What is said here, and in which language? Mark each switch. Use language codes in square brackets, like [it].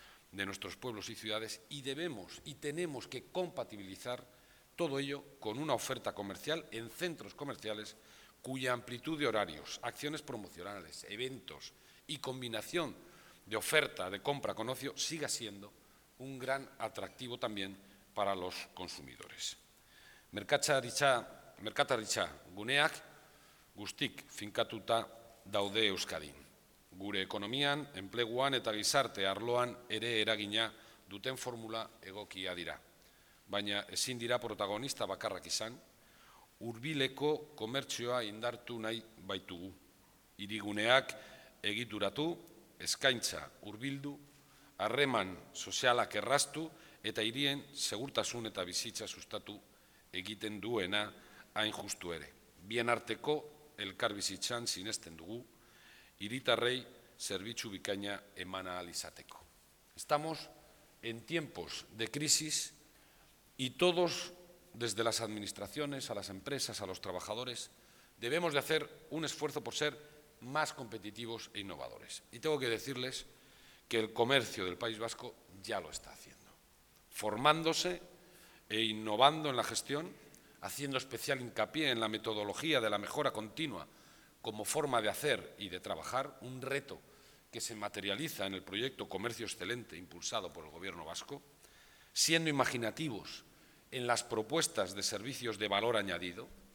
[es] de nuestros pueblos y ciudades, y debemos y tenemos que compatibilizar todo ello con una oferta comercial en centros comerciales cuya amplitud de horarios, acciones promocionales, eventos y combinación de oferta de compra con ocio siga siendo un gran atractivo también para los consumidores. [eu] Merkataritza guneak guztik finkatuta daude Euskadin. Gure ekonomian, enpleguan eta gizarte arloan ere eragina duten formula egokia dira. Baina ezin dira protagonista bakarrak izan, hurbileko komertzioa indartu nahi baitugu. Hiriguneak egituratu, eskaintza hurbildu, harreman sozialak erraztu eta hirien segurtasun eta bizitza sustatu egiten duena hain justu ere. Bien arteko elkarbizitzan sinesten dugu, hiritarrei zerbitzu bikaina emana ahal izateko. [es] Estamos en tiempos de crisis y todos, desde las administraciones, a las empresas, a los trabajadores, debemos de hacer un esfuerzo por ser más competitivos e innovadores. Y tengo que decirles que el comercio del País Vasco ya lo está haciendo, formándose e innovando en la gestión, haciendo especial hincapié en la metodología de la mejora continua como forma de hacer y de trabajar, un reto que se materializa en el proyecto Comercio Excelente impulsado por el Gobierno Vasco, siendo imaginativos en las propuestas de servicios de valor añadido.